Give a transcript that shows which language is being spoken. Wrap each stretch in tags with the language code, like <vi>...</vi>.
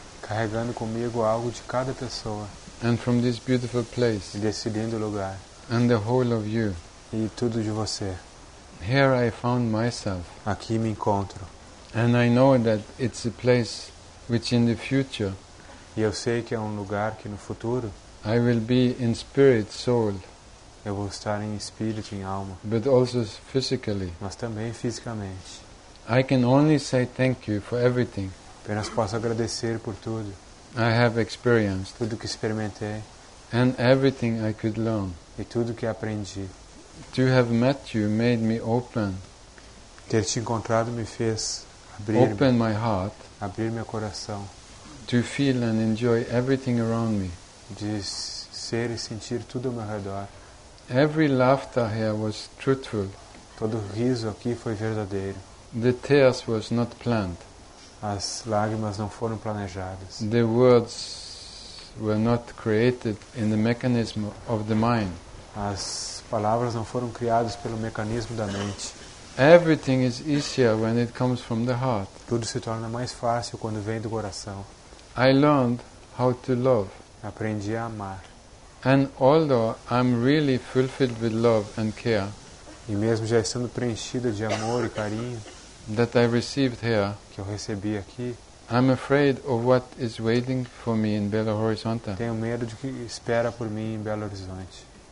<pt>Carregando comigo algo de cada pessoa.</pt> <en>And from this beautiful place.</en> <pt>E desse lindo lugar.</pt> <en>And the whole of you.</en> <pt>E tudo de você.</pt> <en>Here I found myself.</en> <pt>Aqui me encontro.</pt> <en>And I know that it's a place which in the future.</en> <pt>E eu sei que é lugar que no futuro.</pt> <en>I will be in spirit, soul.</en> <pt>Eu vou estar em espírito, em alma.</pt> <en>But also physically.</en> <pt>Mas também fisicamente.</pt> <en>I can only say thank you for everything.</en> <pt>Apenas posso agradecer por tudo.</pt> <en>I have experienced.</en> <pt>Tudo que experimentei.</pt> <en>And everything I could learn.</en> <pt>E tudo que aprendi.</pt> <en>To have met you made me open.</en> <pt>Ter te encontrado me fez</pt> <en>open my heart.</en> <pt>Abrir meu coração.</pt> <en>To feel and enjoy everything around me.</en> <pt>De ser e sentir tudo ao meu redor.</pt> <en>Every laughter here was truthful.</en> <pt>Todo riso aqui foi verdadeiro.</pt> <en>The tears was not planned.</en> <pt>As lágrimas não foram planejadas.</pt> <en>The words were not created in the mechanism of the mind.</en> <pt>As palavras não foram criadas pelo mecanismo da mente.</pt> <en>Everything is easier when it comes from the heart.</en> <pt>Tudo se torna mais fácil quando vem do coração.</pt> <en>I learned how to love.</en> <pt>Aprendi a amar.</pt> <en>And although I'm really fulfilled with love and care.</en> <pt>E mesmo já estando preenchida de amor e carinho</pt> <en>that I received here,</en> <pt>que eu recebi aqui,</pt> <en>I'm afraid of what is waiting for me in Belo Horizonte.</en> <pt>Tenho medo de que espera por mim em Belo Horizonte.</pt>